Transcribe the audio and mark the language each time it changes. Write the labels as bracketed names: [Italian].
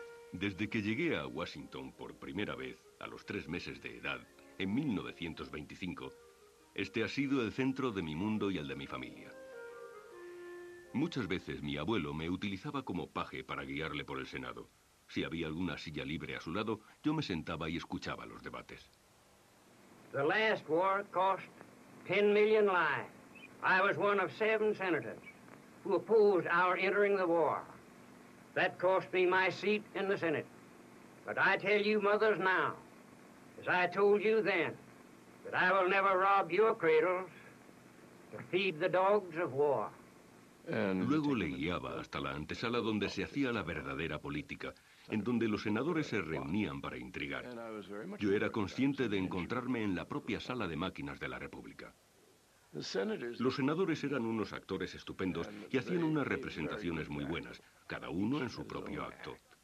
[Spanish] Desde que llegué a Washington por primera vez, a los 3 meses de edad, en 1925, este ha sido el centro de mi mundo y el de mi familia. Muchas veces mi abuelo me utilizaba como paje para guiarle por el Senado. Si había alguna silla libre a su lado, yo me sentaba y escuchaba los debates. [English] The last war cost 10 million lives. I was one of 7 senators who opposed our entering the war. That cost me my seat in the Senate. But I tell you, mothers, now, as I told you then, that I will never rob your cradles to feed the dogs of war. [Spanish] Luego le guiaba hasta la antesala donde se hacía la verdadera política, en donde los senadores se reunían para intrigar. Yo era consciente de encontrarme en la propia sala de máquinas de la República. Los senadores eran unos actores estupendos y hacían unas representaciones muy buenas, cada uno en su propio acto.